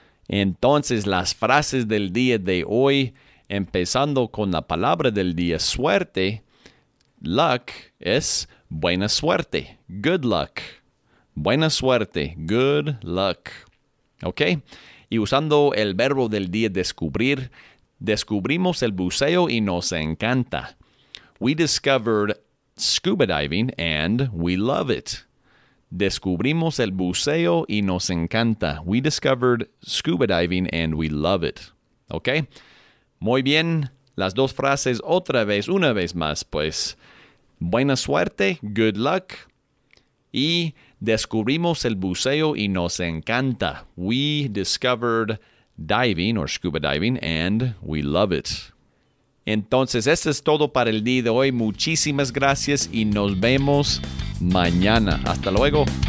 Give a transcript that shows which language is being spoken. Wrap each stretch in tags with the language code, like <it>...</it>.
<es>Entonces, las frases del día de hoy, empezando con la palabra del día, suerte. Luck es buena suerte.</es> <en>Good luck.</en> <es>Buena suerte.</es> <en>Good luck.</en> <es>¿Ok? Y usando el verbo del día descubrir, descubrimos el buceo y nos encanta.</es> <en>We discovered scuba diving and we love it.</en> <es>Descubrimos el buceo y nos encanta.</es> <en>We discovered scuba diving and we love it.</en> <es>¿Ok? Muy bien. Las dos frases otra vez, una vez más, pues. Buena suerte,</es> <en>good luck,</en> <es>y descubrimos el buceo y nos encanta.</es> <en>We discovered diving or scuba diving and we love it.</en> <es>Entonces, esto es todo para el día de hoy. Muchísimas gracias y nos vemos mañana. Hasta luego.</es>